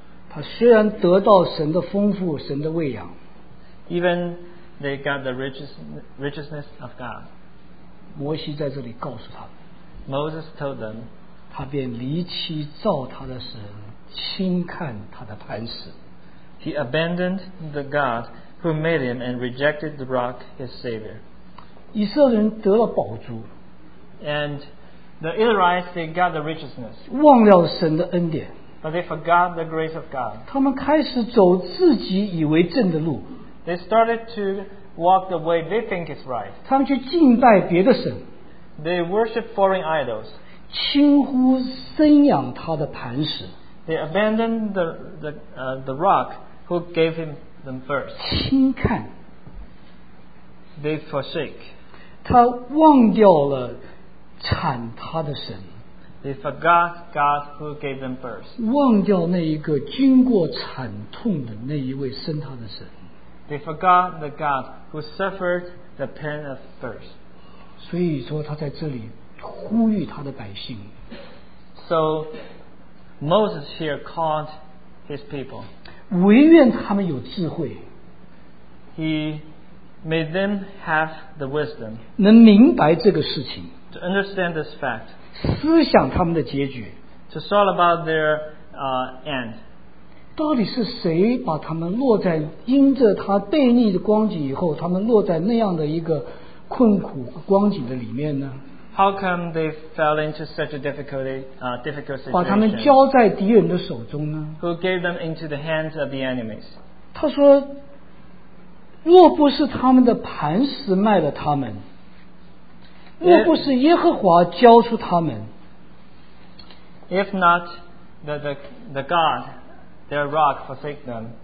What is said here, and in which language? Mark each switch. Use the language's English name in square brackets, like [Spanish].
[Chinese] 他虽然得到神的丰富，神的喂养。 [English] Even they got the richness of God. [Chinese] 摩西在这里告诉他。 [English] Moses told them. [Chinese] 他便离弃造他的神，轻看他的磐石。 [English] He abandoned the God who made him and rejected the rock, his savior. [Chinese] 以色列人得了宝珠。 [English] And the Israelites, they got the richness. [Chinese] 忘了神的恩典。 [English] But they forgot the grace of God. [Chinese] 他们开始走自己以为正的路。 [English] They started to walk the way they think is right. [Chinese] 他们去敬拜别的神。 [English] They worship foreign idols. [Chinese] 轻忽生养他的磐石。 [English] They abandoned the rock who gave him them first. [Chinese] 轻看。 [English] They forsake. [Chinese] 他忘掉了产他的神。 [English] They forgot God who gave them first. [Chinese] 忘掉那一个经过惨痛的那一位生他的神。 [English] They forgot the God who suffered the pain of birth. [Chinese] 所以说他在这里呼吁他的百姓。 [English] So,Moses here called his people. [Chinese] 唯愿他们有智慧。 [English] He made them have the wisdom. [Chinese] 能明白这个事情。 [English] To understand this fact. [Chinese] 思想他们的结局。 [English] To thought about their end. [Chinese] 到底是谁把他们落在因着他悖逆的光景以后，他们落在那样的一个困苦光景的里面呢？ [English] How come they fell into such a difficult situation? [Chinese] 把他们交在敌人的手中呢？ [English] Who gave them into the hands of the enemies? [Chinese] 他说，若不是他们的磐石卖了他们，若不是耶和华交出他们， [English] if not the God, their rock forsake them,